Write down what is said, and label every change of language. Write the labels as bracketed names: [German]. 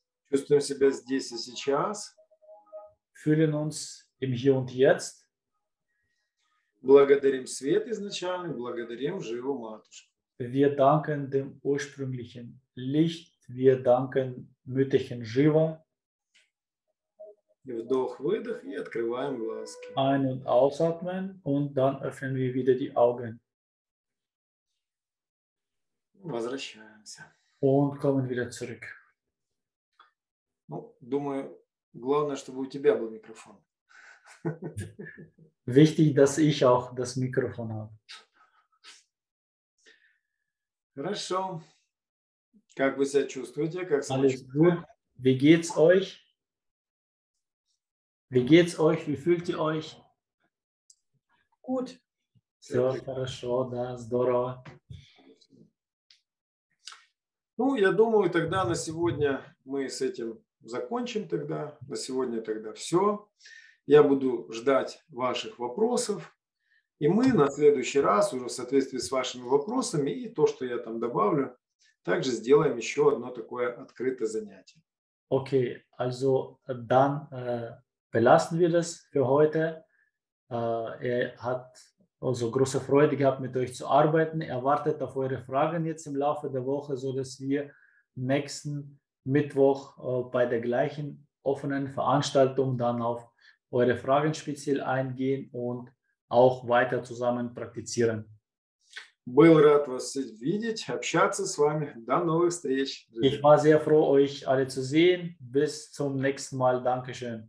[Russian] Чувствуем себя здесь и сейчас. [German] Fühlen uns im Hier und Jetzt. [Russian] Благодарим свет изначально, благодарим живу матушку. [German] Wir danken dem ursprünglichen Licht. Wir danken Mütterchen Shiva. [Russian] Вдох, выдох и открываем глазки. [German] Ein- und ausatmen und dann öffnen wir wieder die Augen. [Russian] Возвращаемся. [German] Und kommen wieder zurück. [Russian] Ну, думаю, главное, чтобы у тебя был микрофон. [German] Wichtig, dass ich auch das Mikrofon habe. [Russian] Хорошо. Как вы себя чувствуете? Как [German] Alles gut. Wie geht's euch? Wie geht's euch? Wie fühlt ihr euch? Gut. [Russian] Все хорошо, да, здорово. Ну, я думаю, тогда на сегодня мы с этим закончим тогда. На сегодня тогда все. Я буду ждать ваших вопросов. И мы на следующий раз уже в соответствии с вашими вопросами и то, что я там добавлю, также сделаем еще одно такое открытое занятие. [German] Окей, also dann belassen wir das für heute. Er hat also große Freude gehabt, mit euch zu arbeiten. Er wartet auf eure Fragen jetzt im Laufe der Woche, sodass wir nächsten Mittwoch bei der gleichen offenen Veranstaltung dann auf eure Fragen speziell eingehen und auch weiter zusammen praktizieren. [Russian] Был рад вас видеть, общаться с вами. До новых встреч. [German] Ich war sehr froh, euch alle zu sehen. Bis zum nächsten Mal. Dankeschön.